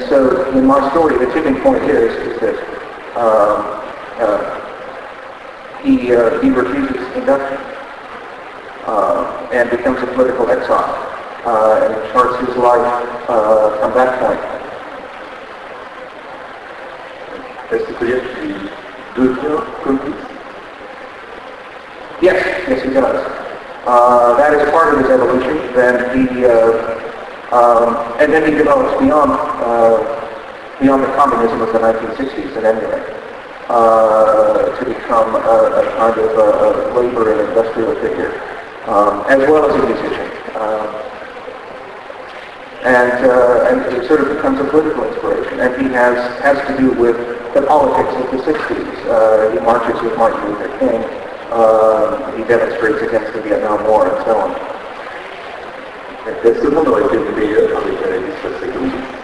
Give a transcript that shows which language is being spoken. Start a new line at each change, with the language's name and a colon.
English: And so in my story, the tipping point is that he refuses induction and becomes a political exile and charts his life from that point.
French: Est-ce que vous voulez dire qu'il devient complice?
English: Yes, yes he does. That is part of his evolution. Then he and then he develops beyond beyond the communism of the 1960s and anyway, to become a kind of a labor and industrial figure, as well as a musician. And it sort of becomes a political inspiration, and he has to do with the politics of the 60s. He marches with Martin Luther King, he demonstrates against the Vietnam War, and so on.
French: Est-ce que le monde aurait été meilleur avec la liste de ces communistes?